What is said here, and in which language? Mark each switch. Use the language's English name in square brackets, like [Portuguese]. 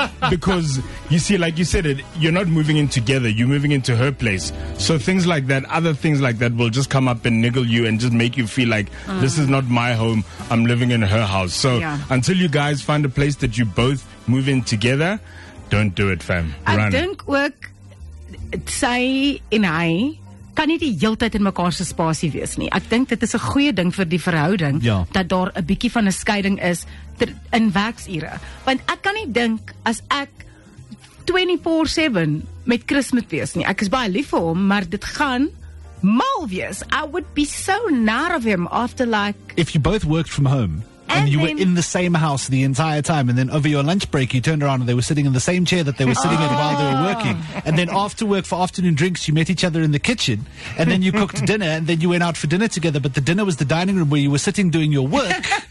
[English] Because, you see, like you said, you're not moving in together. You're moving into her place. So things like that, other things like that will just come up and niggle you and just make you feel like, this is not my home. I'm living in her house. So until you guys find a place that you both move in together, don't do it, fam. Run. I think work, say, in I. [Afrikaans] Kan nie die hele tyd in mekaar se spasie wees nie. Ek dink dit is 'n goeie ding vir die verhouding dat daar 'n bietjie van 'n skeiding is in werksure. Want ek kan nie dink as ek 24/7 met Chris moet wees nie. Ek is baie lief vir hom, maar dit gaan mal wees. [English] I would be so nar of him after like if you both worked from home and you were in the same house the entire time and then over your lunch break you turned around and they were sitting in the same chair that they were sitting in while they were working and then after work for afternoon drinks you met each other in the kitchen and then you cooked dinner and then you went out for dinner together but the dinner was the dining room where you were sitting doing your work.